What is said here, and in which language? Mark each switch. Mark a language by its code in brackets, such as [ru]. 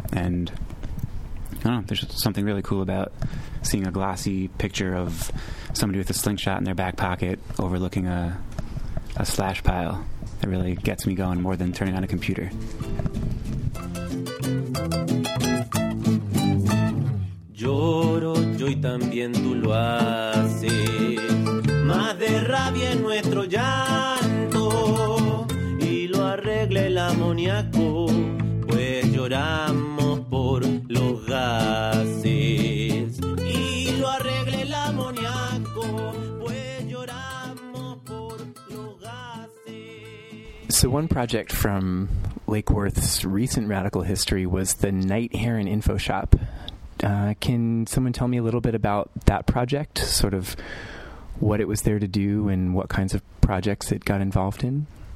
[en] And I don't know, there's something really cool about seeing a glossy picture of somebody with a slingshot in their back pocket overlooking a slash pile. That really gets me going more than turning on a computer. [es] Lloro yo y también tú lo haces, más de rabia en nuestro llanto, y lo arregle el amoníaco, pues lloramos por los gases, y lo arregle el amoníaco, pues lloramos por los gases. [en] So one project from Lake Worth's recent radical history was the Night Heron Infoshop. Can someone tell me a little bit about that project, sort of what it was there to do and what kinds of projects it got involved in?